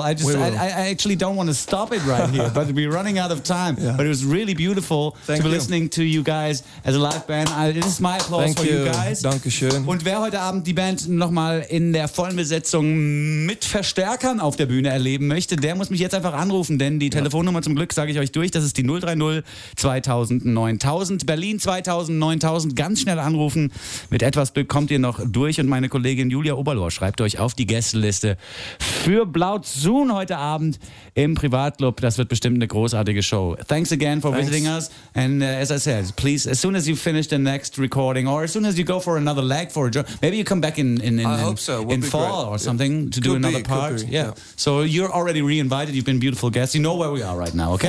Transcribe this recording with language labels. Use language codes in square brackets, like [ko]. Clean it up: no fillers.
[en] I actually don't want to stop it right here, but we're running out of time. Yeah. But it was really beautiful listening to you guys as a live band. This is my applause for you guys. [de] Dankeschön. Und wer heute Abend die Band nochmal in der vollen Besetzung mit Verstärkern auf der Bühne erleben möchte, der muss mich jetzt einfach anrufen, denn die Telefonnummer zum Glück sage ich euch durch. Das ist die 030 2000 9000. Berlin 2000 9000. Ganz schnell anrufen. Mit etwas Glück kommt ihr noch durch und meine Kollegin Julia Oberlohr schreibt euch auf die Gästeliste für Blauzun heute Abend im Privatclub. Das wird bestimmt eine großartige Show. [en] Thanks again for visiting us. And as I said, please, as soon as you finish the next recording or as soon as you go for another leg for a job, maybe you come back in fall great. Or something to could do another part. Yeah. So you're already reinvited. You've been beautiful guests. You know where we are right now, okay?